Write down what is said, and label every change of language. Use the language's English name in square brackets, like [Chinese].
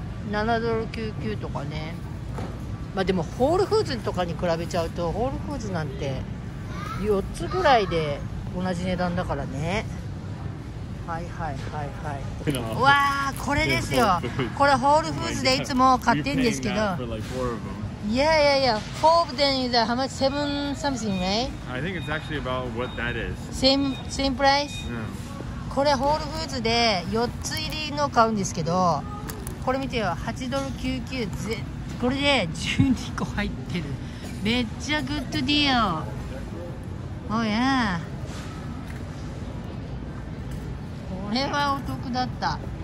[Japanese] 7ドル99とかね。まあでもホールフーズとかに比べちゃうと、ホールフーズなんて4つぐらいで同じ値段だからね。はいはいはいはい。うわー、これですよ。これホールフーズでいつも買ってんですけど。いやいやいや、 [English] 4 then is how much? 7 something, right? I think it's actually about what that is. Same price? Yeah. [Japanese] これホールフーズで4つ入りの買うんですけど、これ見てよ、$8.99、これで12個入ってる。めっちゃグッドディオ。おや、これはお得だった。